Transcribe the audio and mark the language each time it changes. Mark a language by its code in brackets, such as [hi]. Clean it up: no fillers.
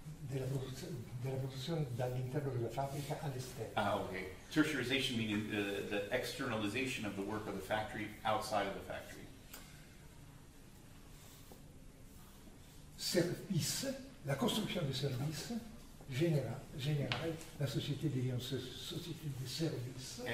[it] Della produzione dall'interno della fabbrica all'esterno. Ah, okay. [en] Tertiarization meaning the externalization of the work of the factory outside of the factory. [fr] Service, la construction de services générale, la société devient société de services.